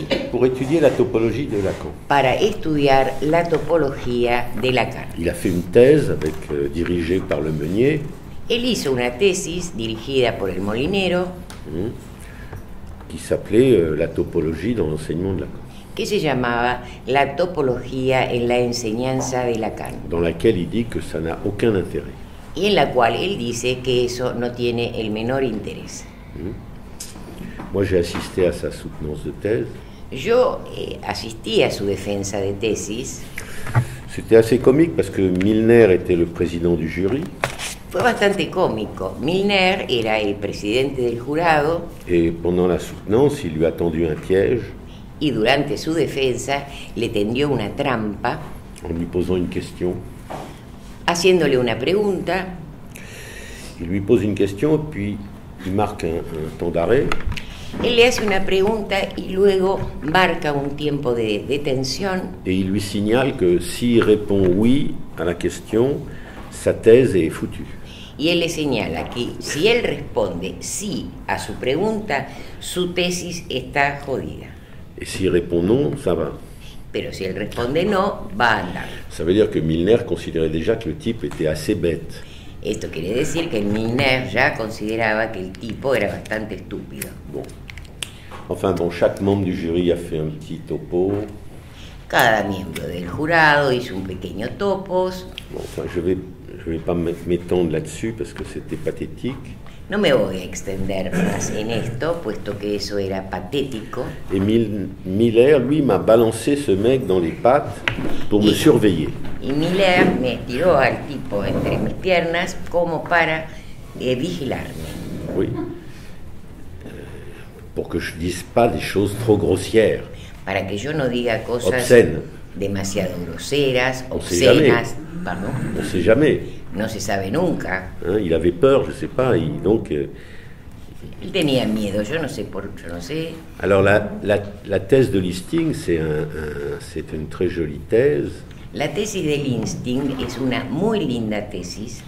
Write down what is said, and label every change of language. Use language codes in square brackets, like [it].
[fr] pour étudier la topologie de Lacan. [es] Para estudiar la topología de Lacan. [fr] Il a fait une thèse dirigée par Le Meunier. [es] Él hizo una tesis dirigida por el molinero [fr] qui s'appelait la topologie dans l'enseignement de Lacan. [es] Que se llamaba la topología en la enseñanza de Lacan. [fr] Dans laquelle il dit que ça n'a aucun intérêt. [es] Y en la cual él dice que eso no tiene el menor interés. [fr] Moi j'ai assisté à sa soutenance de thèse. [es] Yo asistí a su defensa de tesis. [fr] C'était assez comique parce que Milner était le président du jury. [es] Fue bastante cómico. Milner era el presidente del jurado. [fr] Et pendant la soutenance, il lui a tendu un piège. [es] Y durante su defensa le tendió una trampa. [fr] En lui posant une question. [es] Haciéndole una pregunta. [fr] Il lui pose une question puis il marque un temps d'arrêt. [es] Él le hace una pregunta y luego marca un tiempo de detención. [fr] Et il lui signale que s'il répond oui à la question, sa thèse est foutue. [es] Y él le señala que si él responde sí a su pregunta, su tesis está jodida. [fr] Et s'il répond non, ça va. [es] Pero si él responde no, va a andar. [fr] Ça veut dire que Milner considérait déjà que le type était assez bête. [es] Esto quiere decir que Milner ya consideraba que el tipo era bastante estúpido. [fr] Bon. Enfin bon, chaque membre du jury a fait un petit topo. [es] Cada miembro del jurado hizo un pequeño topos. [fr] Bon, enfin, je vais pas m'étendre là-dessus parce que c'était pathétique. [es] No me voy a extender más en esto, puesto que eso era patético. [fr] Et Miller, lui, m'a balancé ce mec dans les pattes pour me surveiller. [es] Y Miller me tiró al tipo entre mis piernas como para vigilarme. [fr] Oui. Pour que je dise pas des choses trop grossières. [es] Para que yo no diga cosas obscènes. Demasiado groseras, obscenas. [fr] Pardon. On ne sait jamais. [es] No se sabe nunca. [fr] Hein, il avait peur, je ne sais pas. Il, donc, [es] il tenía miedo, yo no sé por, yo no sé. [fr] Alors la thèse de Listing, c'est une très jolie thèse. [es] La tesis de Listing es una muy linda tesis.